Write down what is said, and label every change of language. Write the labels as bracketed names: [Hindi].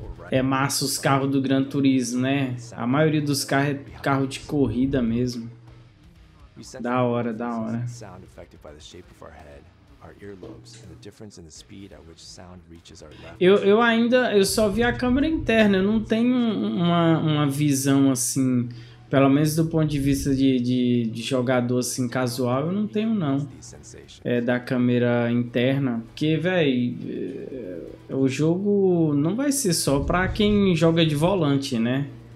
[Portuguese] É massa os carros do Gran Turismo, né? A maioria dos carros é carro de corrida mesmo. Da hora, da hora. [English] Sound affected by the shape of our head, our earlobes, and the difference in the speed at which sound reaches our left. [Portuguese] Eu só vi a câmera interna, eu não tenho uma visão assim, pelo menos do ponto de vista de jogador assim casual, eu não tenho não. É da câmera interna, porque velho, o jogo não vai ser só para quem joga de volante, né?